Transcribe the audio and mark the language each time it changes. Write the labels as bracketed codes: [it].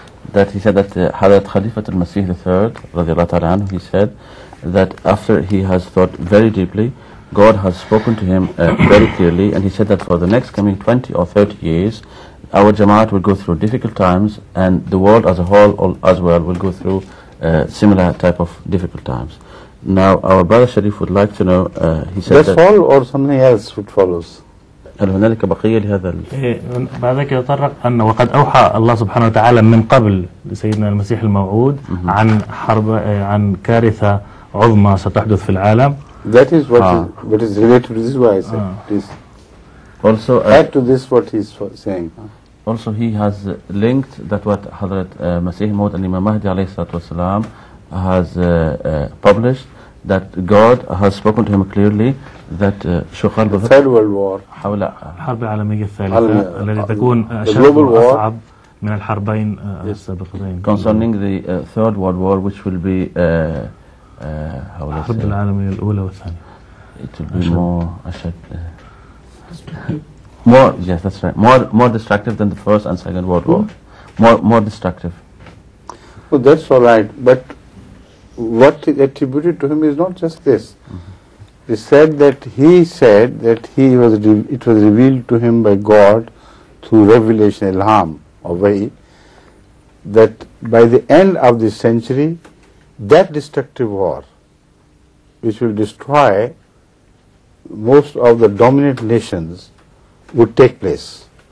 [en] That he said that Hadrat Khalifat al-Masih III, radiallahu ta'ala anhu, he said that after he has thought very deeply, God has spoken to him very clearly, and he said that for the next coming 20 or 30 years, our Jamaat will go through difficult times, and the world as a whole as well will go through similar type of difficult times. Now, our brother Sharif would like to know, he said that... That's all or something else which follows? [ar] هل هناك بقية لهذا؟ بعد ذلك يتطرق أن وقد أوحى الله سبحانه وتعالى من قبل لسيدنا المسيح الموعود عن حرب عن كارثة عظمى ستحدث في العالم [en] That is what is related to this is why I said Also, add to this what he is saying. Also, he has linked that what Hazrat Masih Maud and Imam Mahdi alayhi salatu wasalam has published that God has spoken to him clearly that Shukhar the Third World War [ar] حول حرب العالمية الثالثة التي تكون أشد وأصعب من الحربين السابقتين [en] concerning the Third World War which will be [ar] حرب العالمية الأولى والثانية [en] it will be more [ar] أشد [en] more yes that's right more destructive than the first and second world war more destructive well that's all right but what is attributed to him is not just this he said that it was revealed to him by God through revelation ilham or wahi that by the end of this century that destructive war which will destroy most of the dominant nations would take place.